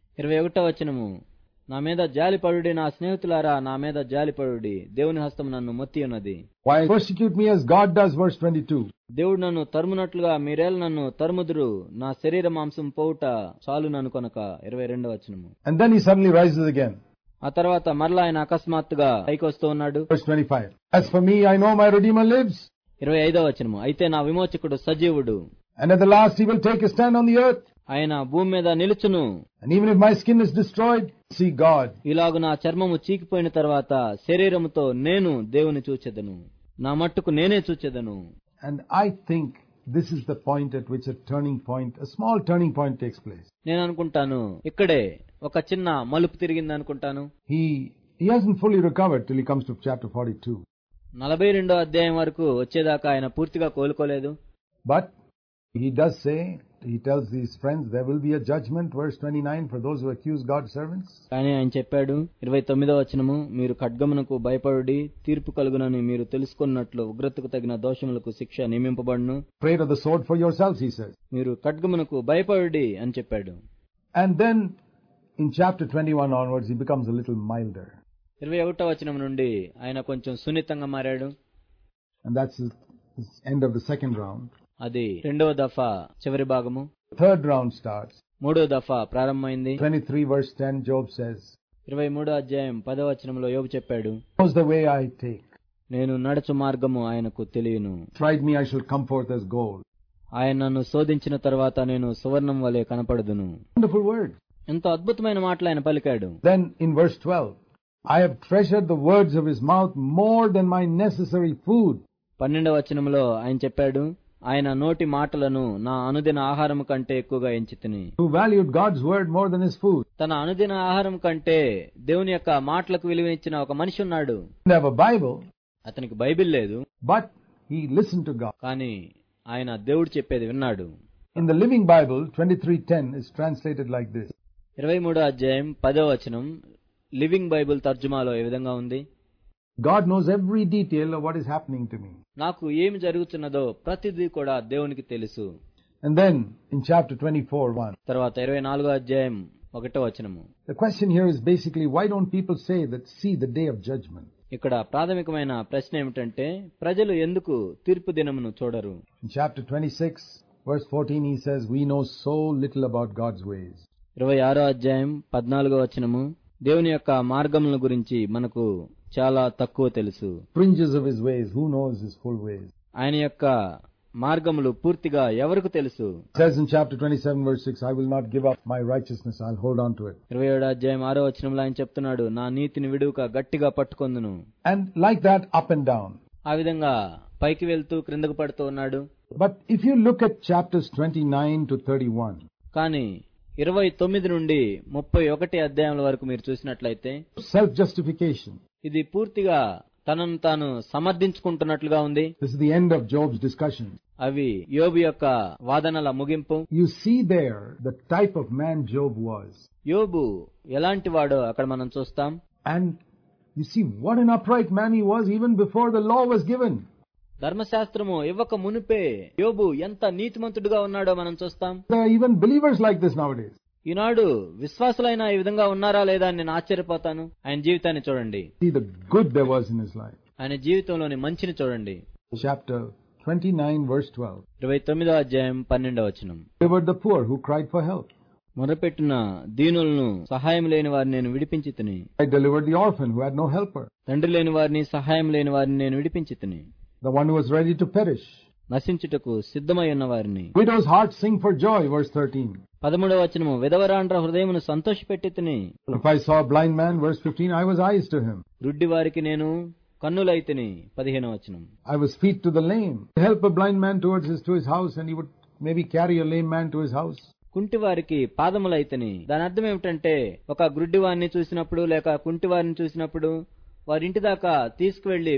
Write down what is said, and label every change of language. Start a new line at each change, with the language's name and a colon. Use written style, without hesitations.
Telugu: 21వ వచనము నా మీద జాలిపడుడి నా స్నేహితులారా నా మీద జాలిపడుడి దేవుని హస్తం నన్ను మొత్తి ఉన్నది.
English: Why persecute me as God does, verse 22.
Telugu: దేవుడు నన్ను తరుమునట్లుగా మీరేళ నన్ను తరుముదురు నా శరీర మాంసం పోవుట చాలు నన్ను కొనక. 22వ వచనము
English: And then he suddenly rises again.
Telugu: ఆ తర్వాత మరలా ఆయన అకస్మాత్తుగా పైకొస్తూ ఉన్నాడు.
English: Verse 25. As for me, I know my Redeemer lives.
Telugu: 25వ వచనము అయితే నా విమోచకుడు సజీవుడు.
English: And at the last he will take a stand on the earth.
Telugu: ఆయన భూమి మీద నిలుచును.
English: And even if my skin is destroyed, see God.
Telugu: ఇలాగు నా చర్మము చీకిపోయిన తర్వాత శరీరముతో నేను దేవుని చూచెదను. నా మట్టుకు నేనే చూచెదను.
English: And I think this is the point at which a small turning point takes place.
Telugu: నేను అనుకుంటాను ఇక్కడే ఒక చిన్న మలుపు తిరిగింది అనుకుంటాను.
English: He hasn't fully recovered till he comes to chapter 42.
Telugu: 42వ అధ్యాయం వరకు వచ్చేదాకా ఆయన పూర్తిగా కోలుకోలేదు.
English: But he does say, he tells his friends, there will be a judgment, verse 29, for those who accuse God's servants.
Telugu: కానీ ఆయన చెప్పాడు 29వ వచనము మీరు ఖడ్గమునకు భయపడుడి తీర్పు కలుగునని మీరు తెలుసుకున్నట్లు ఉగ్రతకు తగిన దోషములకు శిక్ష నియమింపబడును.
English: Afraid of the sword for yourselves, he says.
Telugu: మీరు ఖడ్గమునకు భయపడుడి అని చెప్పాడు.
English: And then in chapter 21 onwards he becomes a little milder.
Telugu: 21వ వచనం నుండి ఆయన కొంచెం సున్నితంగా మారాడు.
English: And that's his end of the second round.
Telugu: అది రెండవ దఫా చివరి భాగము.
English: Third round starts.
Telugu: మూడో దఫా ప్రారంభమైంది.
English: 23:10 Job says.
Telugu: 23వ అధ్యాయం 10వ వచనంలో యోబు చెప్పాడు.
English: Knows the way I take.
Telugu: నేను నడుచు మార్గము ఆయనకు తెలియను.
English: Tried me I shall come forth as gold.
Telugu: ఆయన నన్ను శోధించిన తర్వాత నేను సువర్ణం వలె కనపడదును.
English: Wonderful word.
Telugu: ఎంతో అద్భుతమైన మాటలు ఆయన పలికాడు.
English: Then in verse 12, I have treasured the words of his mouth more than my necessary food.
Telugu: 12వ వచనంలో ఆయన చెప్పాడు, ఆయన నోటి మాటలను నా అనుదిన ఆహారం కంటే ఎక్కువగా ఎంచితిని.
English: Who valued God's word more than his food.
Telugu: తన అనుదిన ఆహారం కంటే దేవుని యొక్క మాటలకు విలువనిచ్చిన ఒక మనిషి ఉన్నాడు.
English: He have a Bible.
Telugu: అతనికి బైబిల్ లేదు.
English: But he listened to God.
Telugu: కానీ ఆయన దేవుడు చెప్పేది విన్నాడు.
English: In the Living Bible, 23:10 is translated like this.
Telugu: 23:10 Living Bible తర్జుమాలో ఈ విధంగా ఉంది.
English: God knows every detail of what is happening to me.
Telugu: నాకు ఏమి జరుగుతున్నదో ప్రతిది కూడా దేవునికి తెలుసు.
English: And then in chapter 24:1.
Telugu: తర్వాత 24వ అధ్యాయం 1వ వచనము.
English: The question here is basically, why don't people say that, see the day of judgment?
Telugu: ఇక్కడ ప్రాథమికమైన ప్రశ్న ఏమిటంటే, ప్రజలు ఎందుకు తీర్పు దినమును చూడరు?
English: In chapter 26:14 he says, we know so little about God's ways.
Telugu: 26వ అధ్యాయం 14వ వచనము దేవుని యొక్క మార్గముల గురించి మనకు చాలా తక్కువ తెలుసు.
English: Fringes of his ways, who knows his full ways?
Telugu: ఆయన యొక్క మార్గములు పూర్తిగా ఎవరికి తెలుసు?
English: Says in chapter 27:6, I will not give up my righteousness, I'll hold on to it.
Telugu: 27వ అధ్యాయం 6వ వచనంలో ఆయన చెప్తున్నాడు, నా నీతిని విడువక గట్టిగా పట్టుకొందును.
English: And like that, up and down.
Telugu: ఆ విధంగా పైకి వెళ్తూ క్రిందకు పడుతూ ఉన్నాడు.
English: But if you look at chapters 29-31,
Telugu: కానీ 29 నుండి 31 అధ్యాయముల వరకు మీరు చూసినట్లయితే,
English: self justification,
Telugu: ఇది పూర్తిగా తనను తాను సమర్థించుకుంటున్నట్లుగా ఉంది.
English: This is the end of Job's discussion.
Telugu: అవి యోబు యొక్క వాదనల ముగింపు.
English: You see there the type of man Job was.
Telugu: యోబు ఎలాంటి వాడో అక్కడ మనం చూస్తాం.
English: And you see what an upright man he was even before the law was given.
Telugu: ధర్మశాస్త్రము ఇవ్వక మునిపే యోబు ఎంత నీతిమంతుడుగా ఉన్నాడో మనం చూస్తాం.
English: Even believers like this nowadays.
Telugu: ఈనాడు విశ్వాసులైన ఈ విధంగా ఉన్నారా లేదా నేను ఆశ్చర్యపోతాను. ఆయన జీవితాన్ని చూడండి.
English: See the good there was in his life.
Telugu: ఆయన జీవితంలోని మంచిని చూడండి.
English: Chapter 29:12.
Telugu: 29వ అధ్యాయం 12వ వచనం.
English: They were the poor who cried for help.
Telugu: మొరపెట్టిన దీనులను సహాయం లేని వారిని నేను విడిపించితిని.
English: I delivered the orphan who had no helper.
Telugu: తండ్రి లేని వారిని సహాయం లేని వారిని నేను విడిపించితిని.
English: The one who was ready to perish.
Telugu: నశించుటకు సిద్ధమై ఉన్న వారిని.
English: Widow's heart sing for joy, verse 13.
Telugu: 13వ వచనము విధవరాండ్ర హృదయమును సంతోషపెట్టితిని.
English: If I saw a blind man, verse 15, I was eyes to him.
Telugu: రుడ్డి వారికి నేను కన్నులైతిని. 15వ వచనం.
English: I was feet to the lame. Help a blind man towards his house and he would maybe carry a lame man to his house.
Telugu: కుంటివారికి పాదములైతని. దాని అర్థం ఏమిటంటే ఒక గ్రుడ్డివారిని చూసినప్పుడు లేక కుంటివారిని చూసినప్పుడు వారి ఇంటి దాకా తీసుకువెళ్లి